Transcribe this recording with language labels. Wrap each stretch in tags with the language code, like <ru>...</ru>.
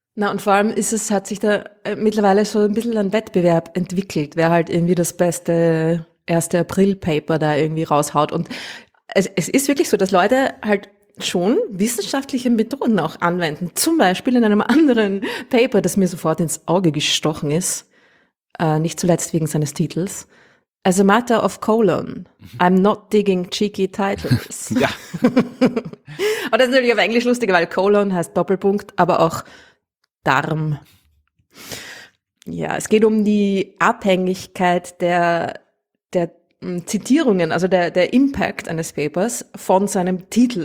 <de>Na, und vor allem hat sich da mittlerweile so ein bisschen ein Wettbewerb entwickelt, wer halt irgendwie das beste 1. April-Paper da irgendwie raushaut. Und es ist wirklich so, dass Leute halt schon wissenschaftliche Methoden auch anwenden. Zum Beispiel in einem anderen Paper, das mir sofort ins Auge gestochen ist, nicht zuletzt wegen seines Titels.</de> <en>As a matter of colon, I'm not digging cheeky titles.</en> <de>Ja. Und das ist natürlich auf Englisch lustiger, weil colon heißt Doppelpunkt, aber auch Darm. Ja, es geht um die Abhängigkeit der Zitierungen, also der Impact eines Papers von seinem Titel.</de>